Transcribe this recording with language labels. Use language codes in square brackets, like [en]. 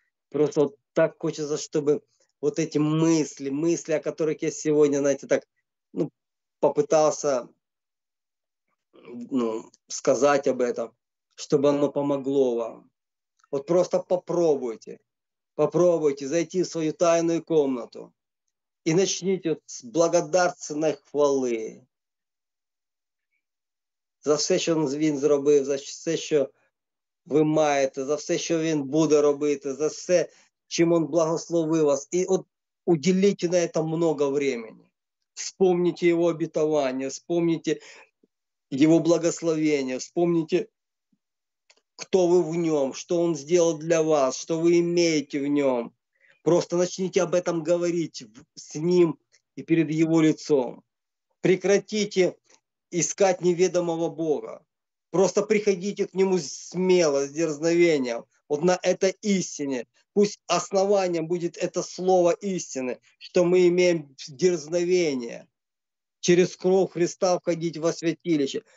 [ru] Просто вот так хочется, чтобы вот эти мысли, о которых я сегодня, знаете, так, ну, попытался, ну, сказать об этом, чтобы оно помогло вам. Вот просто попробуйте зайти в свою тайную комнату и начните вот с благодарственной хвалы. [uk] За все, що він зробив, за все, що ви маєте, за все, що він буде робити, за все, чим він благословив вас. І от уділіть на це багато часу. Вспомніть його обітування, вспомніть його благословення, вспомніть, хто ви в ньому, що він зробив для вас, що ви маєте в ньому. Просто почніть [ru] об этом [uk] говорити з ним і перед його лицом. [ru] Прекратіть искать неведомого Бога. Просто приходите к Нему смело, с дерзновением, вот на этой истине. Пусть основанием будет это слово истины, что мы имеем дерзновение через кровь Христа входить во святилище.